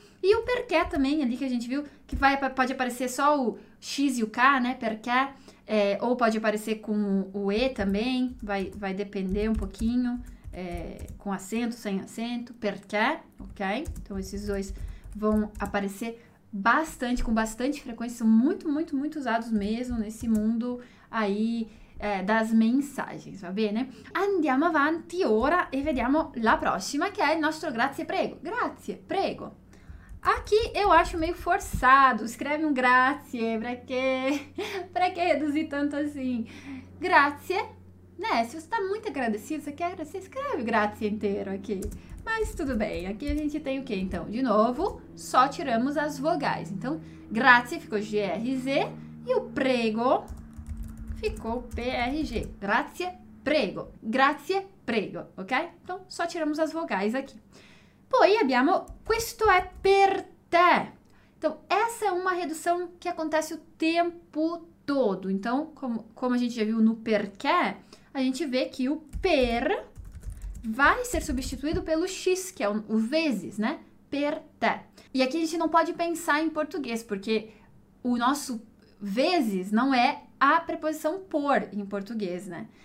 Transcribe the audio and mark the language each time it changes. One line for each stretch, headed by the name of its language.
Portuguese: E o perché também, ali que a gente viu, que vai, pode aparecer só o X e o K, né, perché, é, ou pode aparecer com o E também, vai depender um pouquinho, é, com acento, sem acento, perché, ok? Então esses dois vão aparecer bastante, com bastante frequência, são muito, muito, muito usados mesmo nesse mundo aí, é, das mensagens,
Italian: va bene? Andiamo avanti ora e vediamo la prossima, che è il nostro grazie, prego. Grazie, prego.
Portuguese: Aqui eu acho meio forçado, escreve um grazie, pra que reduzir tanto assim? Grazie, né, se você tá muito agradecido, você quer agradecer, escreve grazie inteiro aqui. Mas tudo bem, aqui a gente tem o que então? De novo, só tiramos as vogais. Então, grazie ficou GRZ e o prego ficou PRG.
Italian: Grazie, prego. Grazie, prego, ok?
Portuguese: Então, só tiramos as vogais aqui.
Italian: Poi abbiamo, questo è per te.
Portuguese: Então, essa é uma redução que acontece o tempo todo. Então, como a gente já viu no perché, a gente vê que o per vai ser substituído pelo X, que é o vezes, né? Per te. E aqui a gente não pode pensar em português, porque o nosso vezes não é a preposição por em português, né?